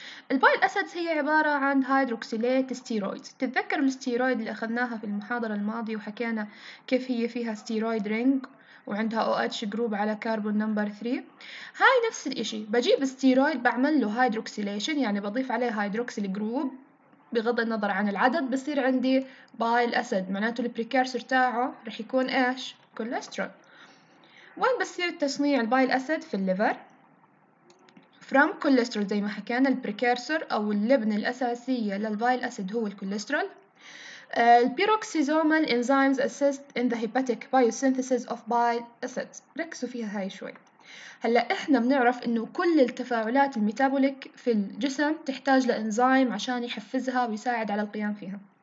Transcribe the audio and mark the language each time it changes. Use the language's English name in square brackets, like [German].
[Arabic] البايل أسيدز هي عبارة عن هيدروكسيلات ستيرويد. تتذكر الستيرويد اللي أخذناها في المحاضرة الماضية وحكينا كيف هي فيها ستيرويد رينج وعندها OH جروب على كاربون نمبر 3؟ هاي نفس الإشي، بجيب ستيرويد بعمل له هيدروكسيليشن، يعني بضيف عليه هيدروكسيل جروب بغض النظر عن العدد، بصير عندي بايل أسيد، معناته البريكارسر تاعه رح يكون إيش؟ كوليسترول. وين بصير تصنيع البايل أسيد؟ في الليفر [English] from [Arabic] كوليسترول، زي ما حكينا البريكارسر أو اللبنة الأساسية للبايل أسيد هو الكوليسترول. [English] البيروكسيزومال enzymes assist in the hepatic biosynthesis of bile acids. [Arabic] ركزوا فيها هاي شوي. هلأ إحنا بنعرف إنه كل التفاعلات الميتابوليك في الجسم تحتاج لإنزيم عشان يحفزها ويساعد على القيام فيها.